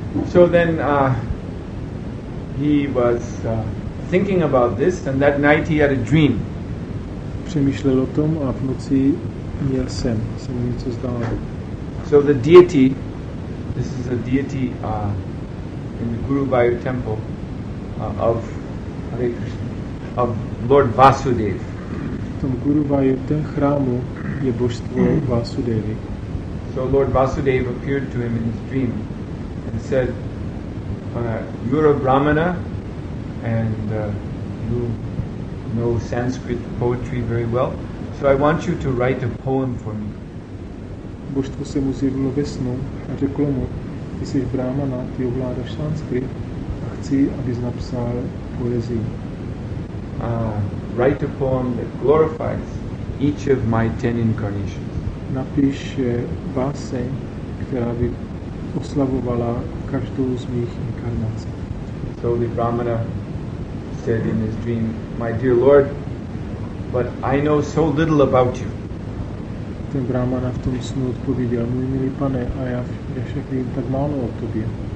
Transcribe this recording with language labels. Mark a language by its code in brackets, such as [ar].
[en] So then he was thinking about this, and that night he had a dream. [cs] Přemýšlel o tom a v noci měl sen. Se mu něco zdálo. [en] So the deity, this is a deity in the Guru Bayu temple of Hare Krishna, of Lord Vasudev. [cs] V tom Guru Bayu, ten chrámu, je božstvo Vasudevi. [en] So Lord Vasudev appeared to him in his dream and said, you're a Brahmana and you know Sanskrit poetry very well, so I want you to write a poem for me. [cs] Božstvo se mu zjevilo ve snu a řeklo mu, ty jsi Brahmana, ty ovládáš Sanskrit a chci, abys napsal poezii. [en] Write a poem that glorifies each of my 10 incarnations. [cs] Napiš báseň, která by oslavovala každou z mých inkarnací. [en] So the Brahmana said in his dream, my dear Lord, but I know so little about you. [cs] Ten Brahmana v tom snu odpověděl, můj milý pane, a já však vím tak málo o tobě.